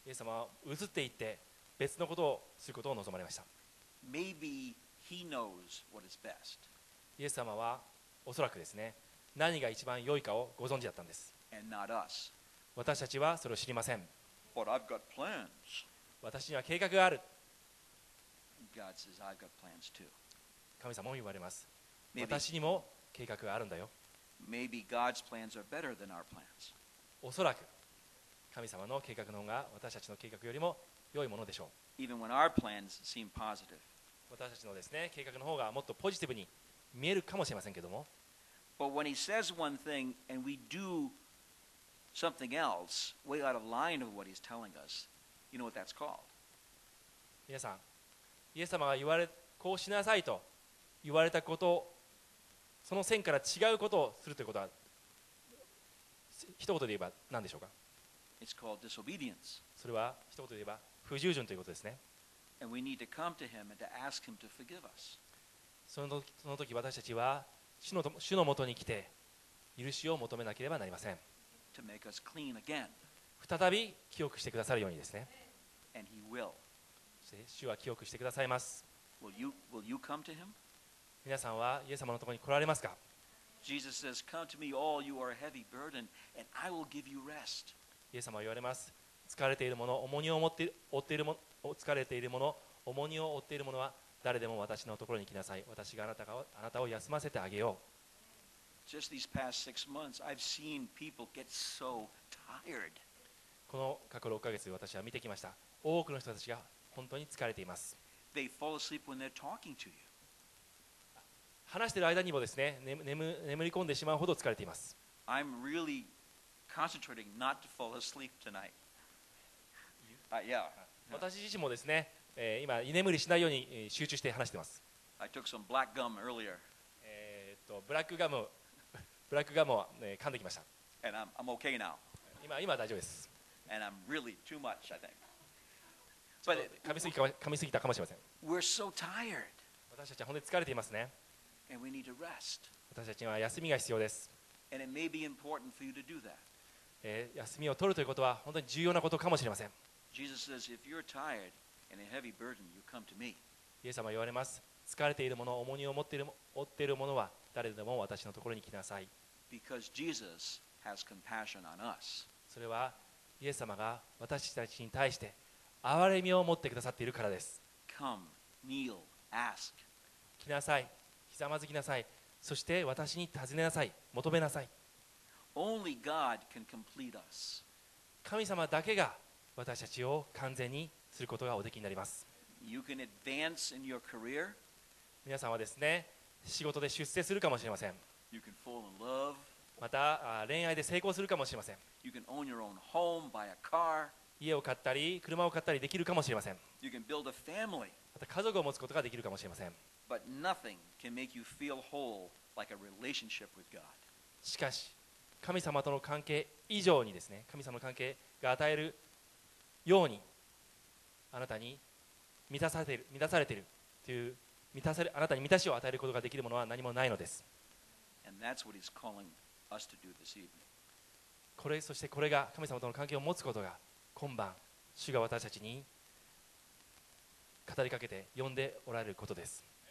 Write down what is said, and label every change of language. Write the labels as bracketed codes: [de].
[ja] イエス様は移っていって別のことをすることを望まれました。 [en] Maybe he knows what is best. [ja] イエス様はおそらくですね、何が一番良いかをご存知だったんです。 [en] And not us. [ja] 私たちはそれを知りません。 [en] But I've got plans. [ja] 私には計画がある。 [en] God says, "I've got plans too." [ja] 神様も言われます。私にも計画があるんだよ。 [en] Maybe God's plans are better than our plans. [ja] おそらく神様の計画の方が私たちの計画よりも良いものでしょう。 [en] Even when our plans seem positive. [ja] 私たちのですね、計画の方がもっとポジティブに見えるかもしれませんけども。 [en] But when he says one thing and we do something else, way out of line of what he's telling us, you know what that's called? [ja] 皆さん、イエス様が言われ、こうしなさいと。言われたことをその線から違うことをするということは一言で言えば何でしょうか。 [en] It's called disobedience. [ja] それは一言で言えば不従順ということですね。 [en] And we need to come to him and to ask him to forgive us. [ja] その時私たちは主のもとに来て許しを求めなければなりません。 [en] To make us clean again. [ja] 再び清くしてくださるようにですね。 [en] And he will. [ja] そして主は清くしてくださいます。 [en] Will you come to him? [ja] 皆さんはイエス様のところに来られますか。 [en] Jesus says, "Come to me, all you are heavy burden, and I will give you rest." [ja] イエス様は言われます。疲れているもの、重荷を持って負っているもの、疲れているもの、重荷を負っているものは誰でも私のところに来なさい。私があなたを休ませてあげよう。 [en] Just these past six months, I've seen people get so tired. [ja] この過去6ヶ月私は見てきました。多くの人たちが本当に疲れています。 [en] They fall asleep when they're talking to you. [ja] 話している間にもですね、眠り込んでしまうほど疲れています。 [en] I'm really concentrating not to fall asleep tonight. Yeah. [ja] 私自身もですね、今居眠りしないように集中して話しています。 [en] I took some black gum earlier. [ja] ブラックガムを、噛んできました。 [en] And I'm okay now. [ja] 今大丈夫です。 [en] And I'm really too much, I think. But [ja] 噛みすぎたかもしれません。 [en] We're so tired. [ja] 私たちは本当に疲れていますね。 [en] And we need to rest. [ja] 私たちには休みが必要です。 [en] And it may be important for you to do that. [ja] 休みを取るということは本当に重要なことかもしれません。 [en] Jesus says, if you're tired and a heavy burden, you come to me. [ja] イエス様は言われます。疲れているもの、重荷を持っているものは誰でも私のところに来なさい。 [en] Because Jesus has compassion on us. [ja] それはイエス様が私たちに対して憐れみを持ってくださっているからです。 [en] Come, kneel, ask. [ja] 来なさい。ひざまずきなさい。そして私に尋ねなさい。求めなさい。 [en] Only God can complete us. [ja] 神様だけが私たちを完全にすることがおできになります。 [en] You can advance in your career. [ja] 皆さんはですね、仕事で出世するかもしれません。 [en] You can fall in love. [ja] また恋愛で成功するかもしれません。 [en] You can own your own home, buy a car. [ja] 家を買ったり、車を買ったりできるかもしれません。 [en] You can build a family. [ja] また家族を持つことができるかもしれません。 [en] But nothing can make you feel whole like a relationship with God. [ja] しかし、神様との関係以上にですね、神様の関係が与えるようにあなたに満たされている、満たされているという満たされ、あなたに満たしを与えることができるものは何もないのです。 [en] And that's what he's calling us to do this evening. [ja] これ、そしてこれが神様との関係を持つことが今晩主が私たちに語りかけて呼んでおられることです。